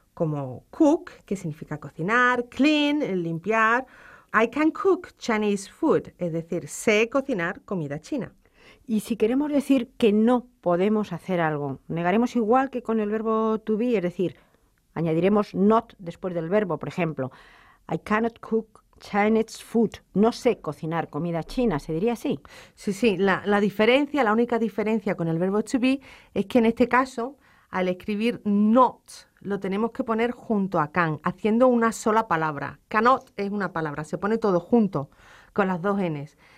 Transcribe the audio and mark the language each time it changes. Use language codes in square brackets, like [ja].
[es] Como cook, que significa cocinar, clean, limpiar. [en] I can cook Chinese food, [es] es decir, sé cocinar comida china. Y si queremos decir que no podemos hacer algo, negaremos igual que con el verbo to be, es decir, añadiremos not después del verbo, por ejemplo. [en] I cannot cook Chinese food. [es] No sé cocinar comida china, ¿se diría así? Sí, sí. La diferencia, la única diferencia con el verbo to be es que en este caso, al escribir not, lo tenemos que poner junto a can, haciendo una sola palabra. Cannot es una palabra, se pone todo junto con las dos n's.